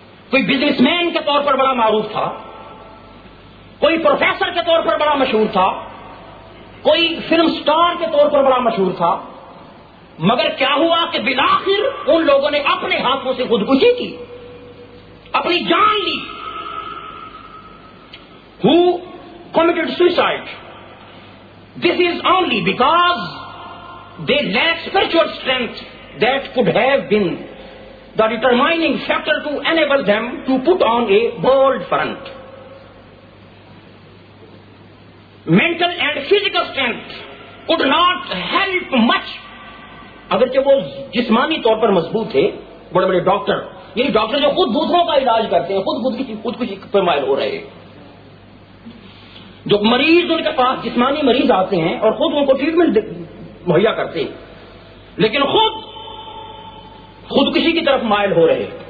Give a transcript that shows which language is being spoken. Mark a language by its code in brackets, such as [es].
[ur] کوئی business man کے طور پر بڑا معروف تھا, کوئی پروفیسر کے طور پر بڑا مشہور تھا, کوئی فلم سٹار کے طور پر بڑا مشہور تھا, مگر کیا ہوا کہ بالآخر ان لوگوں نے اپنے ہاتھوں سے خودکشی کی, اپنی جان لی. [en] Who committed suicide? This is only because they lacked spiritual strength that could have been the determining factor to enable them to put on a bold front. Mental and physical strength could not help much. [ur] اگرچہ وہ جسمانی طور پر مضبوط تھے, بڑے بڑے doctor, یعنی doctor جو خود دوسروں کا علاج کرتے ہیں, خود خودکشی پر مائل ہو رہے ہیں. جو مریض ان کے پاس جسمانی مریض آتے ہیں اور خود ان کو ٹریٹمنٹ مہیا کرتے ہیں, لیکن خود خودکشی کی طرف مائل ہو رہے.